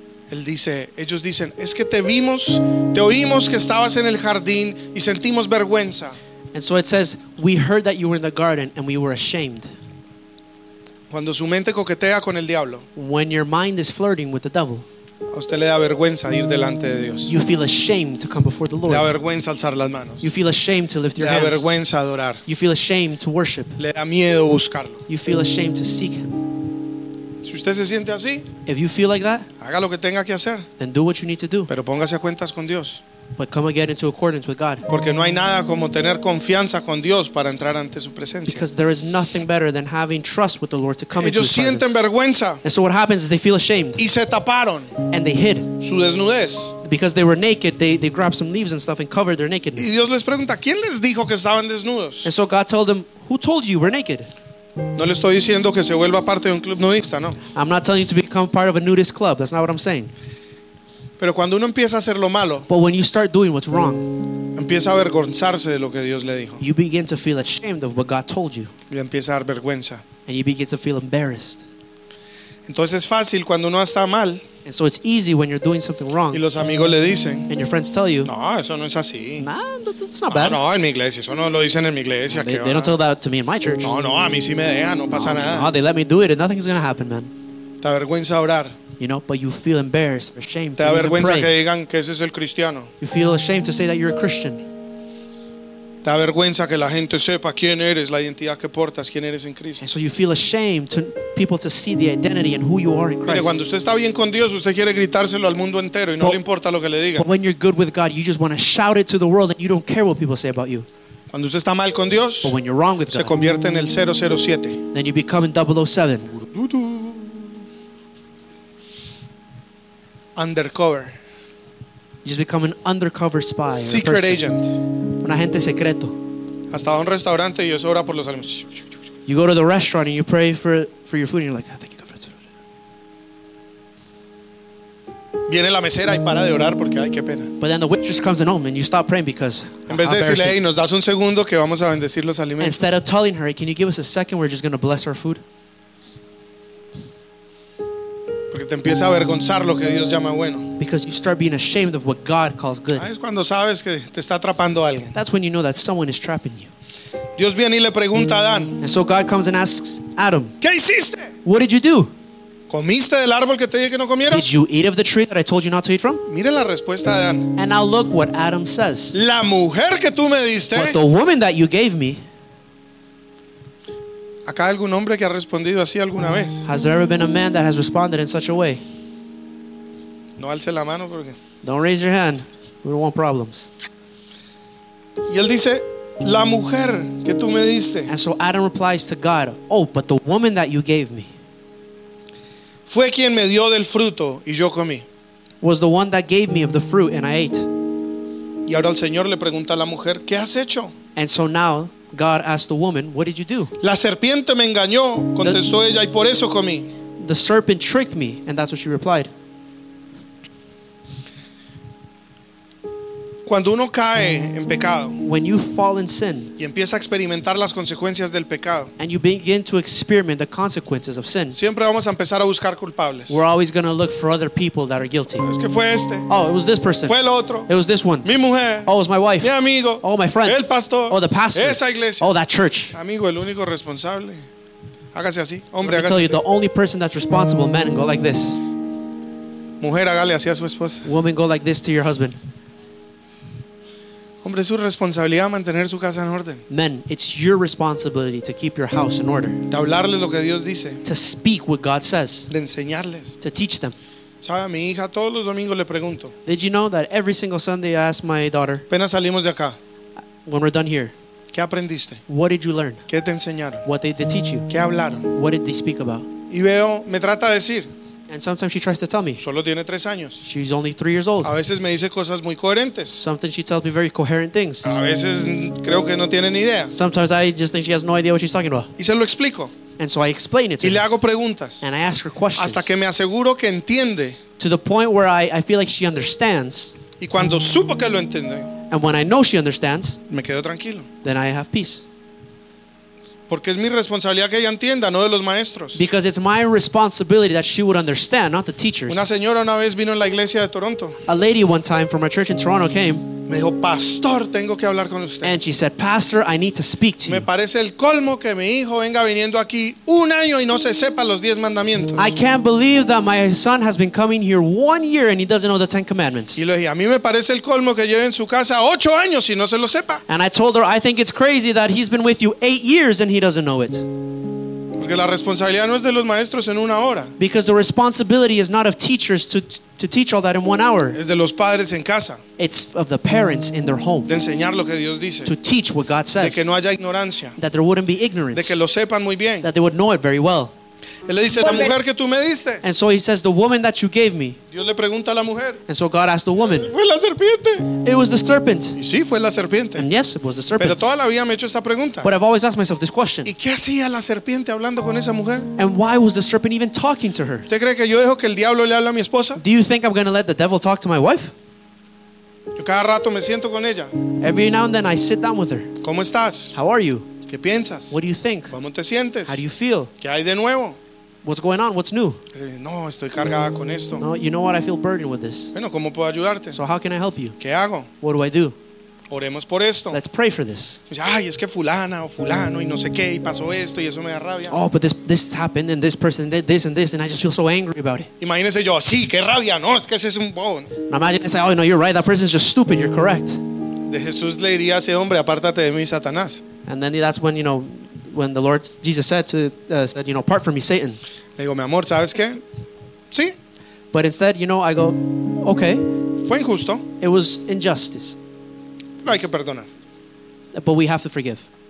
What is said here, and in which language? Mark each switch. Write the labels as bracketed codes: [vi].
[es] Él dice, ellos dicen, es que te vimos, te oímos que estabas en el jardín y sentimos vergüenza. [en] And so it says, we heard that you were in the garden and we were ashamed. [es] Cuando su mente coquetea con el diablo, [en] when your mind is flirting with the devil, [es] a usted le da vergüenza ir delante de Dios. [en] You feel ashamed to come before the Lord. [es] Le da vergüenza alzar las manos. [en] You feel ashamed to lift your hands. [es] Le da vergüenza adorar. [en] You feel ashamed to worship. [es] Le da miedo buscarlo. [en] You feel ashamed to seek him. [es] Si usted se siente así, [en] if you feel like that, [es] haga lo que tenga que hacer. [en] Then do what you need to do. [es] Pero póngase a cuentas con Dios. [en] But come again into accordance with God. [es] Porque no hay nada como tener confianza con Dios para entrar ante su presencia. [en] Because there is nothing better than having trust with the Lord to come into his presence. [es] Ellos sienten vergüenza. [en] And so what happens is they feel ashamed. [es] Y se taparon. [en] And they hid. [es] Su desnudez. [en] Because they were naked, they grabbed some leaves and stuff and covered their nakedness. [es] Y Dios les pregunta, ¿quién les dijo que estaban desnudos? [en] And so God told them, who told you we're naked? [es] No le estoy diciendo que se vuelva parte de un club nudista, no. [en] I'm not telling you to become part of a nudist club. That's not what I'm saying. [es] Pero cuando uno empieza a hacer lo malo, [en] but when you start doing what's wrong, [es] empieza a avergonzarse de lo que Dios le dijo. [en] You begin to feel ashamed of what God told you. [es] Y empieza a dar vergüenza. [en] And you begin to feel embarrassed. [es] Entonces es fácil cuando uno está mal. [en] And so it's easy when you're doing something wrong. [es] Y los amigos le dicen. [en] And your friends tell you. [es] No, eso no es así. [en] Nah, that's not bad. [es] No, en mi iglesia. Eso no lo dicen en mi iglesia. No, [en] they don't tell that to me in my church. [es] No, a mí sí me dejan. No pasa nada. [en] No, they let me do it and nothing's going to happen, man. [es] Te avergüenza orar. [en] You know, but you feel embarrassed or ashamed [es] te [en] to even pray. [es] Que digan que ese es el cristiano. [en] You feel ashamed to say that you're a Christian. [es] Te avergüenza que la gente sepa quién eres, la identidad que portas, quién eres en Cristo. [en] And so you feel ashamed to people to see the identity and who you are in Christ. [es] Mire, cuando usted está bien con Dios, usted quiere gritárselo al mundo entero y no le importa lo que le digan. [en] But when you're good with God, you just want to shout it to the world and you don't care what people say about you. [es] Cuando usted está mal con Dios, [en] but when you're wrong with God, [es] se convierte en el 007. [en] Then you become in 007. Undercover. You just become an undercover spy. Secret agent. [es] Un agente secreto. Hasta un restaurante y eso ora por los alimentos. [en] You go to the restaurant and you pray for your food and you're like, oh, thank you God for the food. [es] Viene la mesera y para de orar porque ay, qué pena. [en] But then the waitress comes in home and you stop praying because. [es] En vez de decirle, hey, nos das un segundo que vamos a bendecir los alimentos. [en] Instead of telling her, can you give us a second? We're just going to bless our food. [es] Porque te empieza a avergonzar lo que Dios llama bueno. [en] Because you start being ashamed of what God calls good. [es] Es cuando sabes que te está atrapando alguien. [en] That's when you know that someone is trapping you. [es] Dios viene y le pregunta a Adán. [en] And so God comes and asks Adam. [es] ¿Qué hiciste? [en] What did you do? [es] ¿Comiste del árbol que te dije que no comieras? [en] Did you eat of the tree that I told you not to eat from? [es] Mira la respuesta de Adán. [en] And now look what Adam says. [es] La mujer que tú me diste. [en] But the woman that you gave me. [es] ¿Acá hay algún hombre que ha respondido así alguna vez? [en] Has there ever been a man that has responded in such a way? [es] No alce la mano porque. [en] Don't raise your hand. We don't want problems. [es] Y él dice, la mujer que tú me diste. [en] And so Adam replies to God, oh, but the woman that you gave me. [es] Fue quien me dio del fruto y yo comí. [en] Was the one that gave me of the fruit and I ate. [es] Y ahora el Señor le pregunta a la mujer, ¿qué has hecho? [en] And so now God asked the woman, what did you do? [es] La serpiente me engañó, contestó ella, y por eso comí. [en] The serpent tricked me, and that's what she replied. [es] Cuando uno cae en pecado, [en] when you fall in sin, [es] y empieza a experimentar las consecuencias del pecado, [en] and you begin to experiment the consequences of sin, [es] siempre vamos a empezar a buscar culpables. [en] We're always going to look for other people that are guilty. [es] Es que fue este. [en] Oh, it was this person. [es] Fue el otro. [en] It was this one. [es] Mi mujer. [en] Oh, it was my wife. [es] Mi amigo. [en] Oh, my friend. [es] El pastor. [en] Oh, the pastor. [es] Esa iglesia. [en] Oh, that church. [es] Amigo, el único responsable. Hágase así, hombre. [en] Let me tell you, the only person that's responsible, man, go like this. [es] Mujer, hágale así a su esposa. [en] Woman, go like this to your husband. [es] Hombre, es su responsabilidad mantener su casa en orden. [en] Men, it's your responsibility to keep your house in order. [es] De hablarles lo que Dios dice. [en] To speak what God says. [es] De enseñarles. [en] To teach them. [es] ¿Sabe, a mi hija todos los domingos le pregunto? [en] Did you know that every single Sunday I ask my daughter? [es] Apenas salimos de acá. [en] When we're done here. [es] ¿Qué aprendiste? [en] What did you learn? [es] ¿Qué te enseñaron? [en] What did they teach you? [es] ¿Qué hablaron? [en] What did they speak about? [es] Y veo, me trata de decir. [en] And sometimes she tries to tell me. [es] Solo tiene 3 años. [en] She's only 3 years old. [es] A veces me dice cosas muy coherentes. [en] Sometimes she tells me very coherent things. [es] A veces creo que no tiene ni idea. [en] Sometimes I just think she has no idea what she's talking about. [es] Y se lo explico. [en] And so I explain it to her. [es] Y le hago preguntas. [en] And I ask her questions. [es] Hasta que me aseguro que entiende. [en] To the point where I feel like she understands. [es] Y cuando supo que lo entiende. [en] And when I know she understands. [es] Me quedo tranquilo. [en] Then I have peace. [es] Porque es mi responsabilidad que ella entienda, no de los maestros. [en] Because it's my responsibility that she would understand, not the teachers. [es] Una señora una vez vino en la iglesia de Toronto. [en] A lady one time from a church in Toronto came. [es] Me dijo, pastor, tengo que hablar con usted. [en] And she said, pastor, I need to speak to you. [es] Me parece el colmo que mi hijo venga viniendo aquí un año y no se sepa los 10 mandamientos. [en] I can't believe that my son has been coming here 1 year and he doesn't know the 10 commandments. [es] Y le dije, a mí me parece el colmo que lleve en su casa 8 años y no se lo sepa. [en] And I told her, I think it's crazy that he's been with you 8 years and he doesn't know it. [es] Porque la responsabilidad no es de los maestros en una hora. [en] Because the responsibility is not of teachers to teach all that in 1 hour. [es] Es de los padres en casa. [en] It's of the parents in their home. [es] De enseñar lo que Dios dice. [en] To teach what God says. [es] De que no haya ignorancia. [en] That there wouldn't be ignorance. [es] De que lo sepan muy bien. [en] That they would know it very well. [es] Él le dice, la mujer que tú me diste. [en] And so he says, the woman that you gave me. [es] Dios le pregunta a la mujer. [en] And so God asked the woman. [es] Fue la serpiente. [en] It was the serpent. [es] Y sí, fue la serpiente. [en] And yes, it was the serpent. [es] Pero toda la vida me he hecho esta pregunta. [en] But I've always asked myself this question. [es] ¿Y qué hacía la serpiente hablando con esa mujer? [en] And why was the serpent even talking to her? [es] ¿Usted cree que yo dejo que el diablo le hable a mi esposa? [en] Do you think I'm going to let the devil talk to my wife? [es] Yo cada rato me siento con ella. [en] Every now and then I sit down with her. [es] ¿Cómo estás? [en] How are you? [es] ¿Qué piensas? [en] What do you think? [es] ¿Cómo te sientes? [en] How do you feel? [es] ¿Qué hay de nuevo? [en] What's going on? What's new? [es] No, estoy cargada con esto. [en] No, you know what? I feel burdened with this. [es] Bueno, ¿cómo puedo ayudarte? [en] So how can I help you? [es] ¿Qué hago? [en] What do I do? [es] Oremos por esto. [en] Let's pray for this. [es] Ay, es que fulana o fulano y no sé qué y pasó esto y eso me da rabia. [en] Oh, but this happened and this person did this and this and I just feel so angry about it. [es] Imagínese yo, sí, qué rabia, no, es que ese es un bobo. [en] Imagine say, oh no, you're right, that person is just stupid. You're correct. [es] De Jesús le diría a ese hombre, apártate de mí, Satanás. [en] And then that's when, you know, when the Lord Jesus said, you know, apart from me, Satan. [es] Le digo, mi amor, ¿sabes qué? Sí. [en] But instead, you know, I go, okay. [es] Fue injusto. [en] It was injustice. [es] Pero hay que perdonar. [en] But we have to forgive.